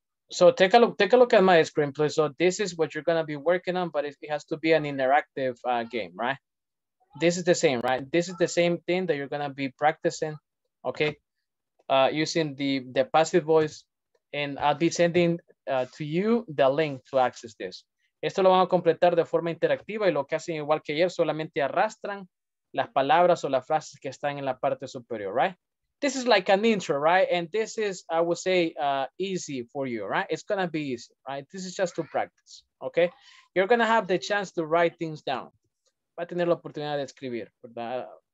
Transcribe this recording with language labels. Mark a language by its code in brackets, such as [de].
[en] So take a look at my screen, please. So this is what you're gonna be working on, but it has to be an interactive game, right? This is the same, right? This is the same thing that you're gonna be practicing, okay? Using the passive voice, and I'll be sending to you the link to access this. [es] Esto lo van a completar de forma interactiva y lo que hacen igual que ayer, solamente arrastran las palabras o las frases que están en la parte superior, right? [en] This is like an intro, right? And this is, I would say, easy for you, right? It's gonna be easy, right? This is just to practice, okay? You're gonna have the chance to write things down. [es] Va a tener la oportunidad de escribir, ¿verdad?